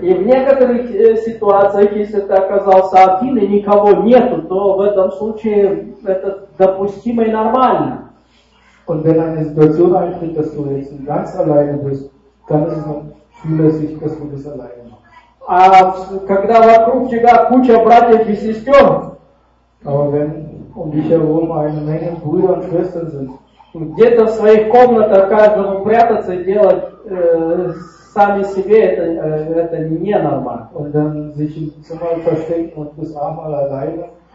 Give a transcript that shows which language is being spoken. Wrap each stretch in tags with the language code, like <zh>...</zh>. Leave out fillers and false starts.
<ru>И в некоторых ситуациях, если ты оказался один и никого нету, то в этом случае это допустимо и нормально.</ru> <de>Und wenn eine Situation eintritt, dass du jetzt ganz alleine bist, dann ist es noch zulässig, dass du das alleine machst. Aber wenn um dich herum eine Menge Brüder und Schwestern sind,</de> <ru>где-то в своих комнатах каждому прятаться и делать сами себе это не нормально.</ru> <de>Und dann sich im Zimmer verstecken und das einmal alleine.</de>